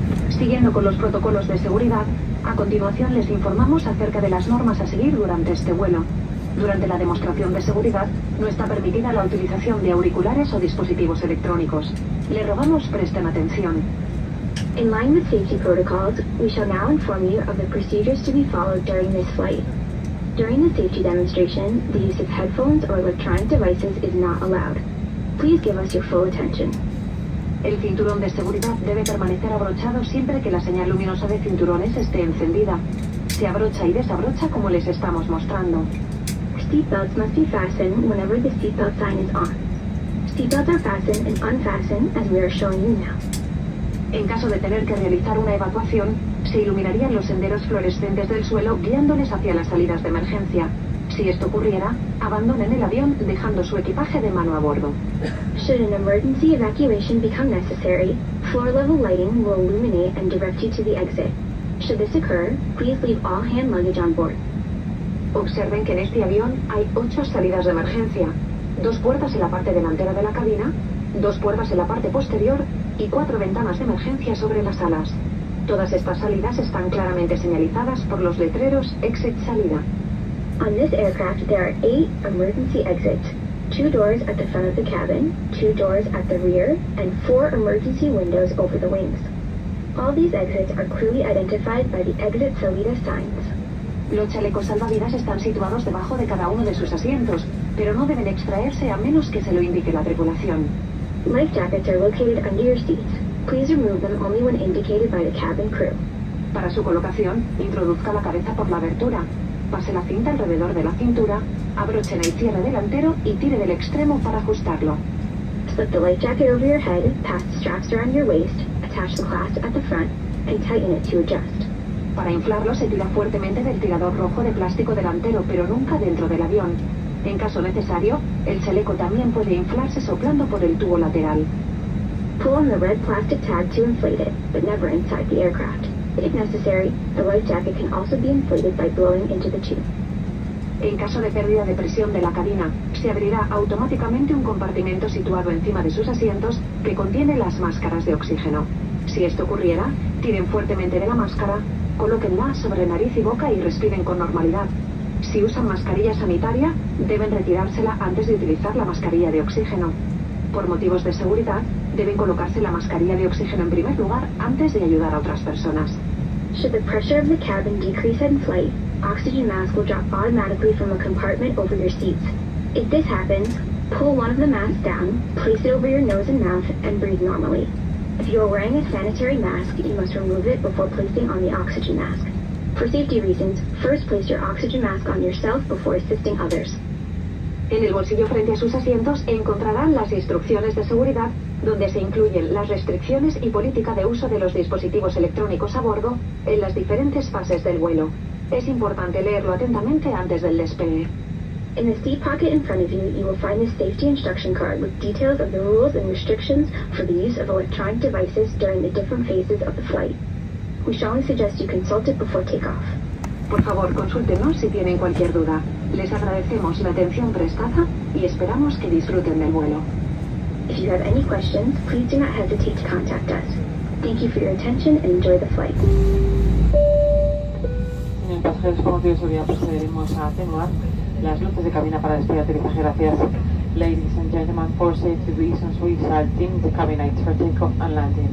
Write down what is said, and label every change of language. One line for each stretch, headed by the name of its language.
Spanish: Siguiendo con los protocolos de seguridad, a continuación les informamos acerca de las normas a seguir durante este vuelo. Durante la demostración de seguridad, no está permitida la utilización de auriculares o dispositivos electrónicos. Le rogamos presten atención.
English: In line with safety protocols, we shall now inform you of the procedures to be followed during this flight. During the safety demonstration, the use of headphones or electronic devices is not allowed. Please give us your full attention.
Spanish: El cinturón de seguridad debe permanecer abrochado siempre que la señal luminosa de cinturones esté encendida. Se abrocha y desabrocha como les estamos mostrando.
English: seatbelts must be fastened whenever the seatbelt sign is on. Seatbelts are fastened and unfastened as we are showing you now.
Spanish: En caso de tener que realizar una evacuación, se iluminarían los senderos fluorescentes del suelo guiándoles hacia las salidas de emergencia. Si esto ocurriera, abandonen el avión dejando su equipaje de mano a bordo.
English: Should an emergency evacuation become necessary, floor level lighting will illuminate and direct you to the exit. Should this occur, please leave all hand luggage on board.
Spanish: Observen que en este avión hay 8 salidas de emergencia, 2 puertas en la parte delantera de la cabina, 2 puertas en la parte posterior y 4 ventanas de emergencia sobre las alas. Todas estas salidas están claramente señalizadas por los letreros Exit Salida.
English: On this aircraft, there are 8 emergency exits. 2 doors at the front of the cabin, 2 doors at the rear, and 4 emergency windows over the wings. All these exits are clearly identified by the Exit Salida signs.
Spanish: Los chalecos salvavidas están situados debajo de cada uno de sus asientos, pero no deben extraerse a menos que se lo indique la tripulación.
English: Life jackets are located under your seats. Please remove them only when indicated by the cabin crew.
Spanish: Para su colocación, introduzca la cabeza por la abertura. Pase la cinta alrededor de la cintura, abrochen el cierre delantero y tire del extremo para ajustarlo.
English: Slip the life jacket over your head, pass the straps around your waist, attach the clasp at the front, and tighten it to adjust.
Spanish: Para inflarlo, se tira fuertemente del tirador rojo de plástico delantero, pero nunca dentro del avión. En caso necesario, el chaleco también puede inflarse soplando por el tubo lateral.
English: Pull on the red plastic tag to inflate it, but never inside the aircraft. If necessary, the life jacket can also be inflated by blowing into the tube.
Spanish: En caso de pérdida de presión de la cabina, se abrirá automáticamente un compartimento situado encima de sus asientos que contiene las máscaras de oxígeno. Si esto ocurriera, tiren fuertemente de la máscara, colóquenla sobre nariz y boca y respiren con normalidad. Si usan mascarilla sanitaria, deben retirársela antes de utilizar la mascarilla de oxígeno. Por motivos de seguridad, deben colocarse la mascarilla de oxígeno en primer lugar antes de ayudar a otras personas.
English: Should the pressure of the cabin decrease in flight, oxygen masks will drop automatically from a compartment over your seats. If this happens, pull one of the masks down, place it over your nose and mouth, and breathe normally. If you are wearing a sanitary mask, you must remove it before placing on the oxygen mask. For safety reasons, first place your oxygen mask on yourself before assisting others.
Spanish: En el bolsillo frente a sus asientos encontrarán las instrucciones de seguridad, donde se incluyen las restricciones y política de uso de los dispositivos electrónicos a bordo en las diferentes fases del vuelo. Es importante leerlo atentamente antes del despegue.
English: In the seat pocket in front of you, you will find a safety instruction card with details of the rules and restrictions for the use of electronic devices during the different phases of the flight. We strongly suggest you consult it before takeoff.
Spanish: Por favor, consúltenos si tienen cualquier duda. Les agradecemos la atención prestada y esperamos que disfruten del vuelo.
English: If you have any questions, please do not hesitate to contact us. Thank you for your attention and enjoy the flight.
Spanish: Señor pasajero, como Dios sabía, procederemos a atenuar las luces de cabina para despedir aterrizaje. Gracias.
English: Ladies and gentlemen, for safety reasons, we shall dim the cabin lights for takeoff and landing.